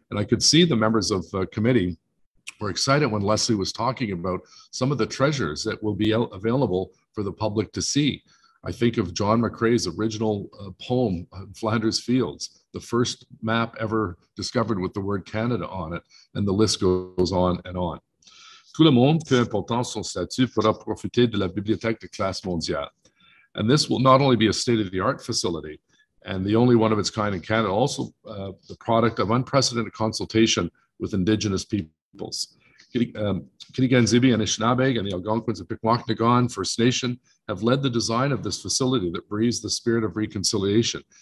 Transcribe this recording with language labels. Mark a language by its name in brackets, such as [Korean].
[English] And I could see the members of the committee were excited when Leslie was talking about some of the treasures that will be available for the public to see. I think of John McCrae's original poem, Flanders Fields, the first map ever discovered with the word Canada on it, and the list goes on and on. [French] Tout le monde, peu important son statut, pourra profiter de la bibliothèque de classe mondiale. [English] And this will not only be a state-of-the-art facility and the only one of its kind in Canada, also the product of unprecedented consultation with Indigenous peoples. Kitigan Zibi and Anishinaabeg and the Algonquins of Piquaknagon First Nation have led the design of this facility that breathes the spirit of reconciliation.